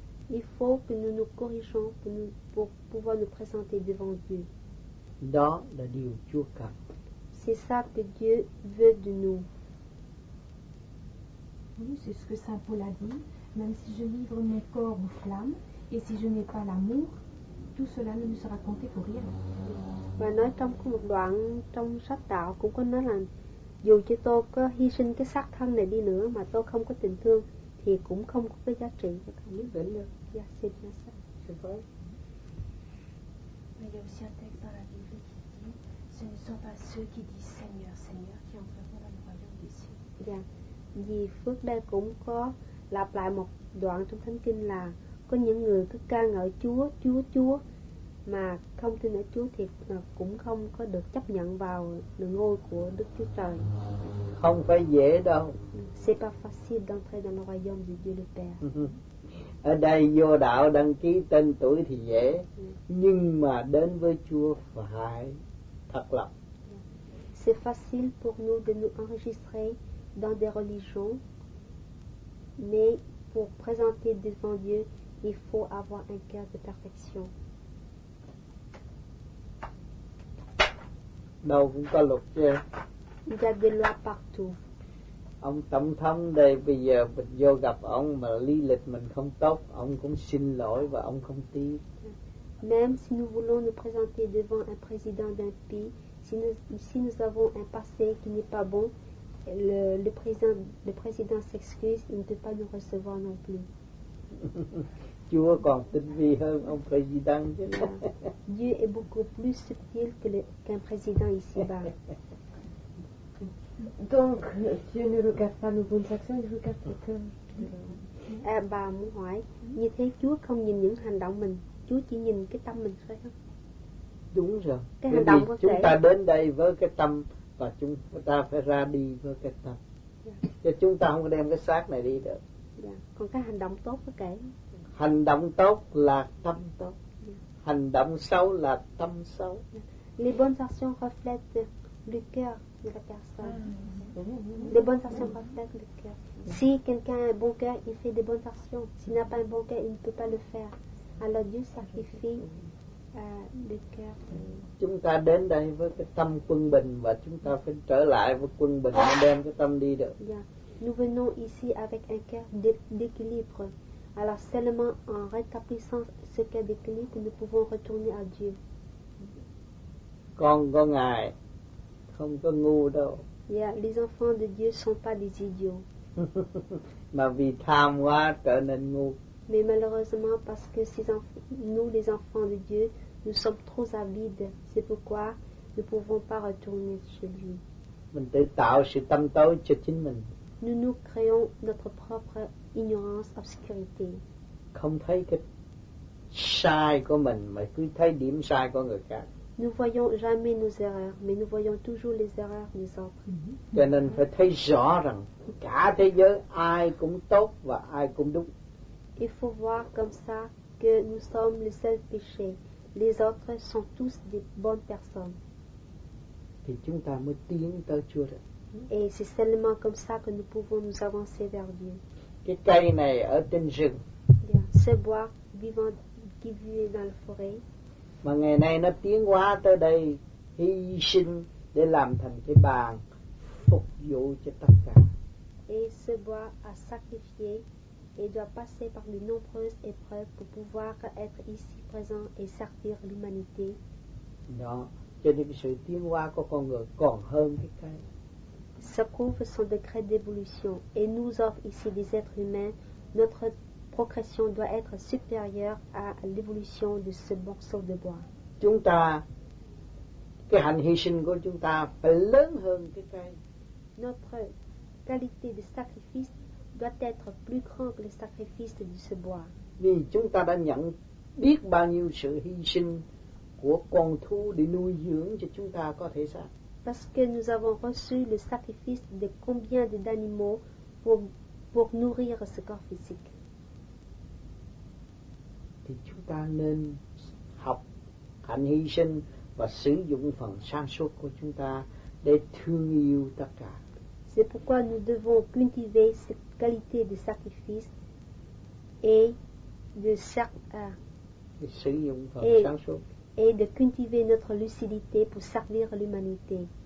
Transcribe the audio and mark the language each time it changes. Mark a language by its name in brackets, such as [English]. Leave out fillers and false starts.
[French] Il faut que nous nous corrigeons pour pouvoir nous présenter devant Dieu. [Vietnamese] Đó là điều Chúa cần. [French] C'est ça que Dieu veut de nous. Oui, c'est ce que saint Paul a dit. Même si je livre mon corps aux flammes et si je n'ai pas l'amour, tout cela ne me sera compté pour rien. [Vietnamese] Và nói trong một đoạn trong sách Đạo cũng có nói là dù cho tôi có hy sinh cái xác thân này đi nữa mà tôi không có tình thương thì cũng không có cái giá trị cho cả những vấn đề. Dạ, xin chào sư. Chào mừng. [French] Mais il y a aussi un texte dans la Bible qui dit, ce ne sont pas ceux qui disent Seigneur, Seigneur qui entreront dans le royaume des cieux. [Vietnamese] Dạ, vì Phước Ba cũng có lặp lại một đoạn trong Thánh Kinh là có những người cứ ca ngợi Chúa, Chúa, Chúa mà không tin ở Chúa thì cũng không có được chấp nhận vào đường ngôi của Đức Chúa Trời. Không phải dễ đâu. [French] C'est pas facile d'entrer dans le royaume de Dieu le Père. [Vietnamese] Ở đây vô đạo đăng ký tên tuổi thì dễ, nhưng mà đến với Chúa phải thật lòng. [French] C'est facile pour nous de nous enregistrer dans des religions, mais pour présenter devant Dieu, il faut avoir un cœur de perfection. [Vietnamese] Đâu cũng có luật chứ. [French] Il y a des lois partout. [Vietnamese] Ông tổng thống đây bây giờ mình vô gặp ông mà lý lịch mình không tốt, ông cũng xin lỗi và ông không tiếc. [French] Même si nous voulons nous présenter devant un président d'un pays, si nous avons un passé qui n'est pas bon, le président s'excuse, il ne peut pas nous recevoir non plus. [Vietnamese] Chúa còn tinh vi hơn ông président chứ. [French] Dieu est beaucoup plus subtil qu'un président ici-bas. Donc, Dieu ne regarde pas nos bonnes actions, il regarde le cœur. [Vietnamese] Bà muốn hỏi, như thế Chúa không nhìn những hành động mình, Chúa chỉ nhìn cái tâm mình thôi không? Đúng rồi. Cái hành động chúng ta đến đây với cái tâm và chúng ta phải ra đi với cái tâm. Chứ chúng ta không có đem cái xác này đi được. Còn cái hành động tốt có kể. Hành động tốt là tâm tốt. Hành động xấu là tâm xấu. [French] Les bonnes actions reflètent le cœur de la personne. Des bonnes actions peuvent être le cœur. Si quelqu'un a un bon cœur, il fait des bonnes actions. S'il n'a pas un bon cœur, il ne peut pas le faire. Alors Dieu sacrifie le cœur. [Vietnamese] Chúng ta đến đây với cái tâm quân bình và chúng ta phải trở lại với quân bình để đem cái tâm đi được. [French] Nous venons ici avec un cœur d'équilibre. Alors seulement en rétablissant ce cœur d'équilibre, nous pouvons retourner à Dieu. [Vietnamese] Con có ngài, không có ngu đâu. [French] Yeah, les enfants de Dieu sont pas des idiots. [Vietnamese] Mà vì tham quá trở nên ngu. [French] Mais malheureusement parce que ces nous les enfants de Dieu, nous sommes trop avides. C'est pourquoi nous pouvons pas retourner chez lui. [Vietnamese] Mình tự tạo sự tâm tối cho chính mình. [French] Nous nous créons notre propre ignorance, obscurité. [Vietnamese] Không thấy cái sai của mình mà cứ thấy điểm sai của người khác. [French] Nous voyons jamais nos erreurs, mais nous voyons toujours les erreurs des autres. [Vietnamese] Cho nên phải thấy rõ rằng cả thế giới ai cũng tốt và ai cũng đúng. [French] Il faut voir comme ça que nous sommes le seul péché. Les autres sont tous des bonnes personnes. [Vietnamese] Thì chúng ta mới tiến tới Chúa được. [French] Et c'est seulement comme ça que nous pouvons nous avancer vers Dieu. [Vietnamese] Cái cây này ở trên rừng. [French] Ce bois vivant qui vit dans la forêt. [Vietnamese] Mà ngày nay nó tiến hóa tới đây hy sinh để làm thành cái bàn phục vụ cho tất cả. [French] Et ce bois a sacrifié et doit passer par de nombreuses épreuves pour pouvoir être ici présent et servir l'humanité. [Vietnamese] Đó, cho nên cái sự tiến hóa của con người còn hơn cái cây. [French] Ça prouve son degré d'évolution et nous offre ici des êtres humains. Notre progression doit être supérieure à l'évolution de ce morceau de bois. [Vietnamese] Chúng ta, cái hành hy sinh của chúng ta phải lớn hơn cái cây. [French] Notre qualité de sacrifice doit être plus grand que le sacrifice de ce bois. [Vietnamese] Vì chúng ta đã nhận biết bao nhiêu sự hy sinh của con thú để nuôi dưỡng cho chúng ta có thể sao. [French] Parce que nous avons reçu le sacrifice de combien d'animaux pour nourrir ce corps physique. [Vietnamese] Thì chúng ta nên học hành hy sinh và sử dụng phần sáng suốt của chúng ta để thương yêu tất cả. [French] C'est pourquoi nous devons cultiver cette qualité de sacrifice et de [Vietnamese] sử dụng phần sáng suốt [French] et de cultiver notre lucidité pour servir l'humanité.